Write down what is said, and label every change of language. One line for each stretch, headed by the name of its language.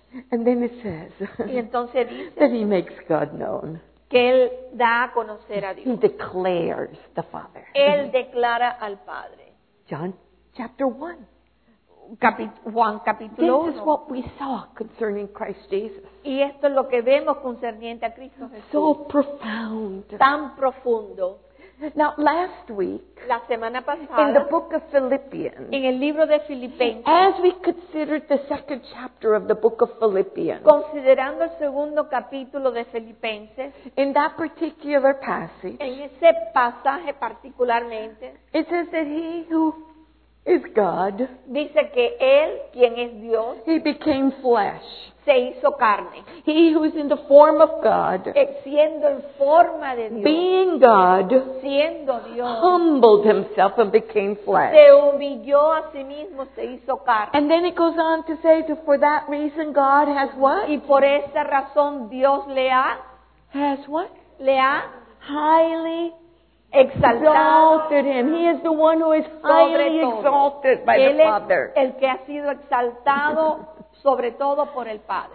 English: And then it says
Spanish: y entonces dice
English: that he makes God known.
Spanish: Que él da a conocer a Dios.
English: He declares the Father.
Spanish: Él declara al Padre.
English: John chapter 1.
Spanish: Juan capítulo 1.
English: This is what we saw concerning Christ Jesus.
Spanish: Y esto es lo que vemos concerniente a Cristo Jesús.
English: So profound.
Spanish: Tan profundo.
English: Now last week,
Spanish: la semana pasada,
English: in the book of Philippians,
Spanish: en el libro de Filipenses,
English: as we considered the second chapter of the book of Philippians,
Spanish: considerando el segundo capítulo de Filipenses,
English: in that particular passage,
Spanish: en ese pasaje particularmente,
English: it says that he who is God,
Spanish: dice que él, quien es Dios,
English: he became flesh.
Spanish: Se hizo carne.
English: He who is in the form of God,
Spanish: siendo en forma de Dios,
English: being God,
Spanish: siendo Dios,
English: humbled himself and became flesh.
Spanish: Se humilló a sí mismo, se hizo carne.
English: And then it goes on to say, for that reason God has what?
Spanish: Y por esa razón Dios le ha,
English: has what?
Spanish: Le ha
English: highly
Spanish: exaltado.
English: Exalted him. He is the one who is highly exalted by
Spanish: él
English: the Father.
Spanish: El que ha sido exaltado sobre todo por el Padre.